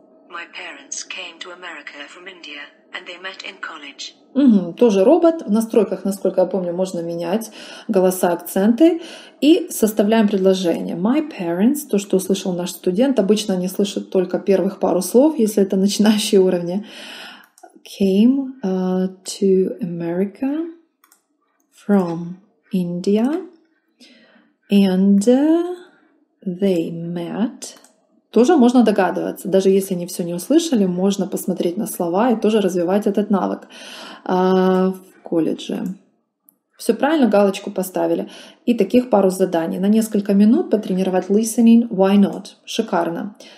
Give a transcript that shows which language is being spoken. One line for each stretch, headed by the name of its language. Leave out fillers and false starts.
English: My parents came to America from India. And they met in college.
Russian: Тоже робот. В настройках, насколько я помню, можно менять голоса, акценты. И составляем предложение.
English: My parents,
Russian: то, что услышал наш студент, обычно они слышат только первых пару слов, если это начинающие уровни.
English: Came to America from India. And they met...
Russian: Тоже можно догадываться, даже если они все не услышали, можно посмотреть на слова и тоже развивать этот навык в колледже. Все правильно, галочку поставили. И таких пару заданий. На несколько минут потренировать
English: listening, why not?
Russian: Шикарно.